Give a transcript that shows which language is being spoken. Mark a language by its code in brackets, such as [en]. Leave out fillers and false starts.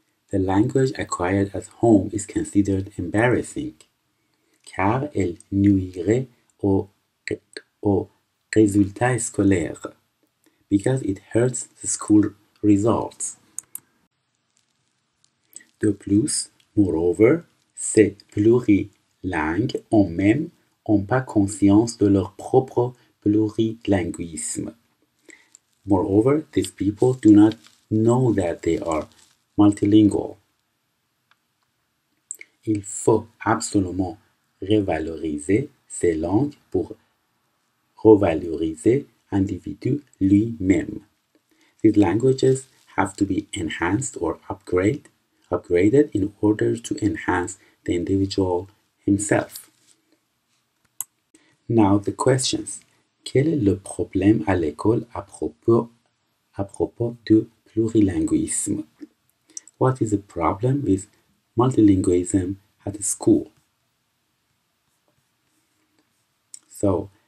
[en] The language acquired at home is considered embarrassing, [fr] car elle nuirait aux résultats scolaires, [en] because it hurts the school results. [fr] De plus, moreover, ces plurilingues eux-mêmes n'ont pas conscience de leur propre plurilinguisme. [en] Moreover, these people do not know that they are multilingual. [fr] Il faut absolument revaloriser ces langues pour revaloriser l'individu lui-même. [en] These languages have to be enhanced or upgraded in order to enhance the individual himself. Now the questions. [fr] Quel est le problème à l'école à propos du plurilinguisme? [en] What is the problem with multilingualism at school? So,